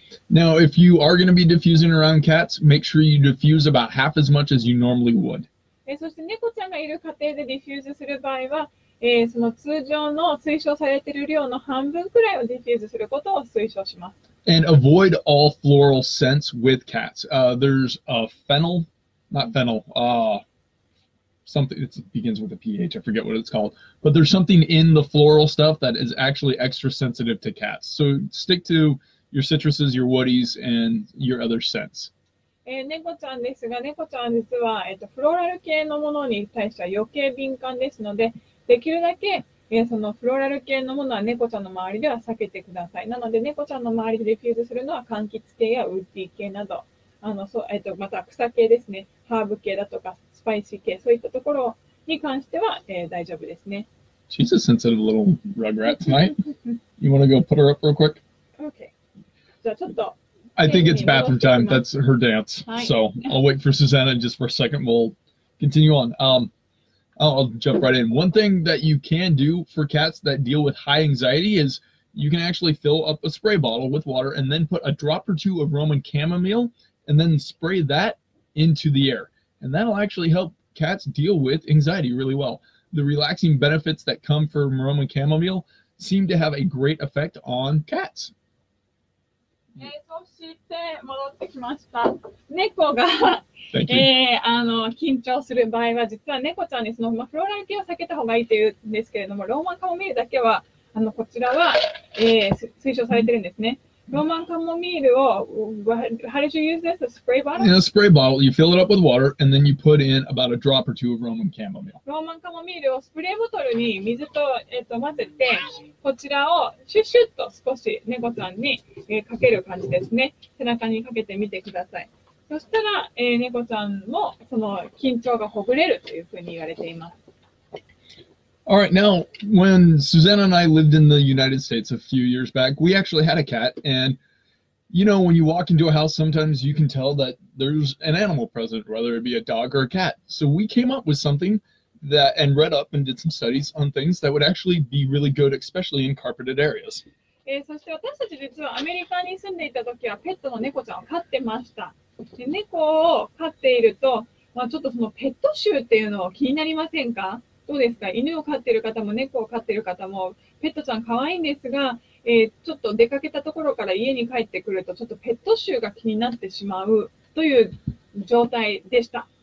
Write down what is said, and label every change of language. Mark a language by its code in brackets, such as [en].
[en] Now, if you are going to be diffusing around cats, make sure you diffuse about half as much as you normally would. [ja] そして猫ちゃんがいる家庭でディフューズする場合は、その通常の推奨されている量の半分くらいをディフューズすることを推奨します。 [en] And avoid all floral scents with cats. There's a fennel, not fennel, something, it begins with a PH, I forget what it's called. But there's something in the floral stuff that is actually extra sensitive to cats. So stick to your citruses, your woodies, and your other scents. [ja] 猫ちゃんですが、猫ちゃん実は、フローラル系のものに対しては余計敏感ですので、できるだけ、そのフローラル系のものは猫ちゃんの周りでは避けてください。なので猫ちゃんの周りでディフューズするのは柑橘系やウッディ系など、また草系ですね、ハーブ系だとかスパイシー系、そういったところに関しては、大丈夫ですね。 [en] She's a sensitive little rugrat tonight. You want to go put her up real quick? [ja] Okay. じゃあちょっと [en] I think it's bathroom time. That's her dance.、はい、so I'll wait for Susanna just for a second. We'll continue on. I'll jump right in. One thing that you can do for cats that deal with high anxiety is you can actually fill up a spray bottle with water and then put a drop or two of Roman chamomile and then spray that into the air. And that'll actually help cats deal with anxiety really well. The relaxing benefits that come from Roman chamomile seem to have a great effect on cats. そして戻ってきました。猫が、緊張する場合は、実は猫ちゃんにその、フローラル系を避けた方がいいというんですけれども、ローマンカモミールだけは、こちらは、推奨されているんですね。ローマンカモミールを、How did you use this? A spray bottle? In a spray bottle, you fill it up with water, and then you put in about a drop or two of Roman chamomile. [ja] ローマンカモミールをスプレーボトルに水 と、混ぜて、こちらをシュッシュッと少し猫ちゃんに、かける感じですね。背中にかけてみてください。そしたら、猫ちゃんもその緊張がほぐれるというふうに言われています。 [en] All right, now, when Susanna and I lived in the United States a few years back, we actually had a cat, and you know, when you walk into a house, sometimes you can tell that there's an animal present, whether it be a dog or a cat. So we came up with something that, and read up and did some studies on things that would actually be really good, especially in carpeted areas. [ja] そして私たち実はアメリカに住んでいた時はペットの猫ちゃんを飼ってました。で、猫を飼っていると、まあ、ちょっとそのペット臭っていうのを気になりませんか？どうですか？犬を飼っている方も猫を飼っている方もペットちゃん可愛いんですが、ちょっと出かけたところから家に帰ってくるとちょっとペット臭が気になってしまうという状態でした。